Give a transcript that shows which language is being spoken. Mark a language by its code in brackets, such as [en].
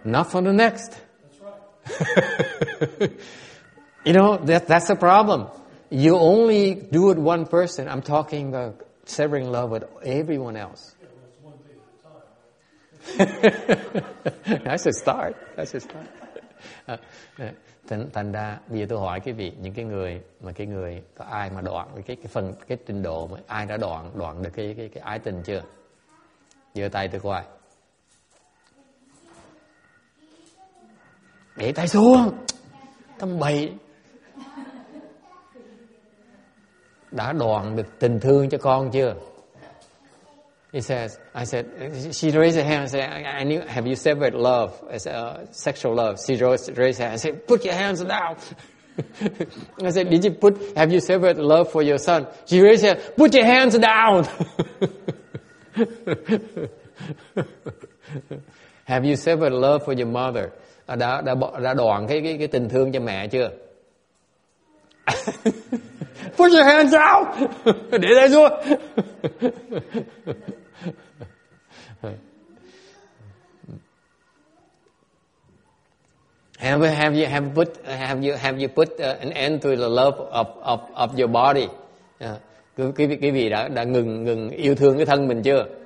[en] not from the next. That's right. You know, that's the problem. You only do it one person. I'm talking about severing love with everyone else. Yeah, well, it's one day at a time. That's a start. [vi] Thành ra bây giờ tôi hỏi quý vị, những cái người mà cái người có ai mà đoạn cái phần cái trình độ mà ai đã đoạn được cái ái tình chưa? Giơ tay tôi coi. Để tay xuống. Tâm bậy. Đã đoạn được tình thương cho con chưa? [en] He says, I said, she raised her hand and said, I knew, have you severed love, sexual love? She raised her hand and said, put your hands down. I said, have you severed love for your son? She raised her hand, put your hands down. Have you severed love for your mother? [vi] Đã đoạn cái tình thương cho mẹ chưa? [en] Put your hands down. [vi] Để tay xuống. [en] Have you put an end to the love of your body? [vi] Quý vị đã ngừng yêu thương cái thân mình chưa?